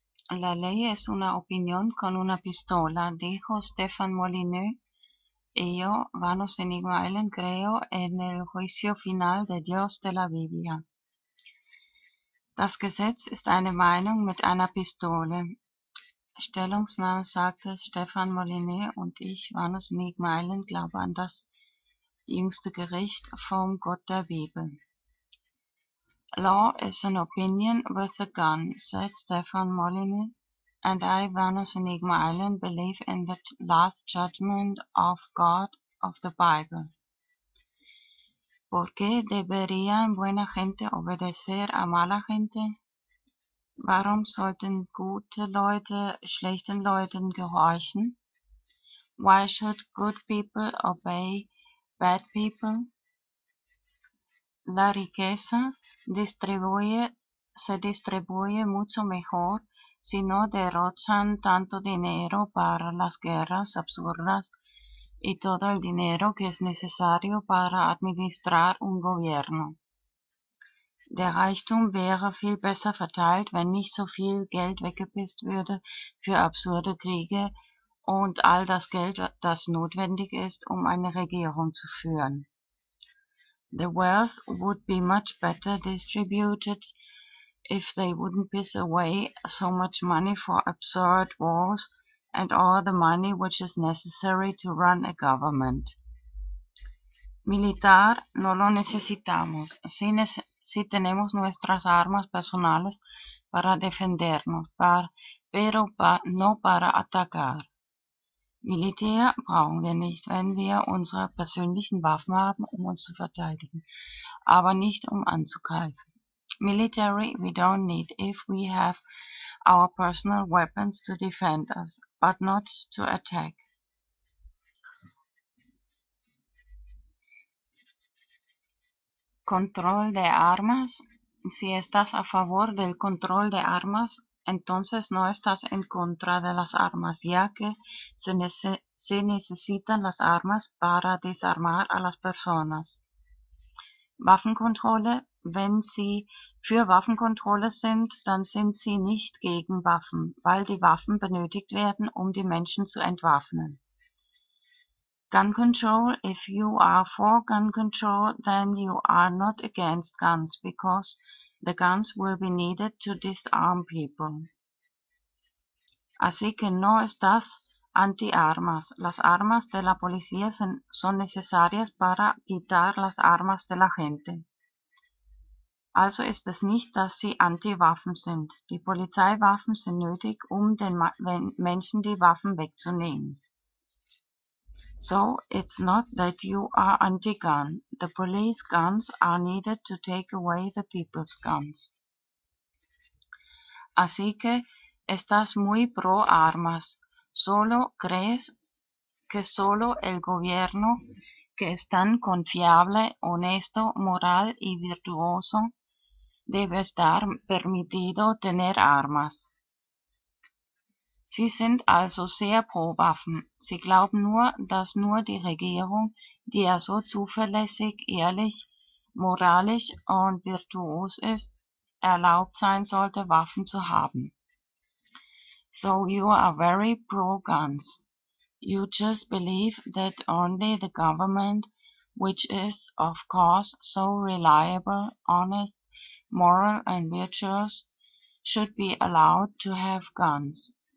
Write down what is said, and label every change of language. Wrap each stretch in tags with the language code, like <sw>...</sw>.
<es>La ley es una opinión con una pistola, dijo Stefan Molyneux. Y yo, vanos en igual, creo en el juicio final de Dios de la Biblia.</es> <de>Das Gesetz ist eine Meinung mit einer Pistole. Stellungsnahme, sagte Stefan Molyneux, und ich, vanos en igual, glaube an das jüngste Gericht vom Gott der Bibel.</de> <en>Law is an opinion with a gun, said Stefan Molyneux, and I, Vanus Enigma Island, believe in the last judgment of God of the Bible.</en> <es>¿Por qué deberían buena gente obedecer a mala gente?</es> <de>Warum sollten gute Leute schlechten Leuten gehorchen?</de> <en>Why should good people obey bad people?</en> <es>La riqueza se distribuye mucho mejor si no derrochan tanto dinero para las guerras absurdas y todo el dinero que es necesario para administrar un gobierno.</es> <de>Der Reichtum wäre viel besser verteilt, wenn nicht so viel Geld weggepisst würde für absurde Kriege und all das Geld, das notwendig ist, um eine Regierung zu führen.</de> <en>The wealth would be much better distributed if they wouldn't piss away so much money for absurd wars and all the money which is necessary to run a government.</en> <es>Militar no lo necesitamos, si tenemos nuestras armas personales para defendernos, pero no para atacar.</es> <de>Militär brauchen wir nicht, wenn wir unsere persönlichen Waffen haben, um uns zu verteidigen, aber nicht um anzugreifen.</de> <en>Military we don't need if we have our personal weapons to defend us, but not to attack.</en> <es>Control de armas. Si estás a favor del control de armas, entonces no estás en contra de las armas, ya que se necesitan las armas para desarmar a las personas.</es> <de>Waffenkontrolle. Wenn Sie für Waffenkontrolle sind, dann sind Sie nicht gegen Waffen, weil die Waffen benötigt werden, um die Menschen zu entwaffnen.</de> <en>Gun control. If you are for gun control, then you are not against guns, because the guns will be needed to disarm people.</en> <es>Así que no estás anti-armas. Las armas de la policía son necesarias para quitar las armas de la gente.</es> <de>Also ist es nicht, dass sie anti-Waffen sind. Die Polizeiwaffen sind nötig, um den Menschen die Waffen wegzunehmen.</de> <en>So, it's not that you are anti-gun. The police guns are needed to take away the people's guns.</en> <es>Así que estás muy pro armas. Solo crees que solo el gobierno, que es tan confiable, honesto, moral y virtuoso, debe estar permitido tener armas.</es> <de>Sie sind also sehr pro Waffen. Sie glauben nur, dass nur die Regierung, die ja so zuverlässig, ehrlich, moralisch und virtuos ist, erlaubt sein sollte, Waffen zu haben.</de> <en>So you are very pro guns. You just believe that only the government, which is, of course, so reliable, honest, moral and virtuous, should be allowed to have guns.</en>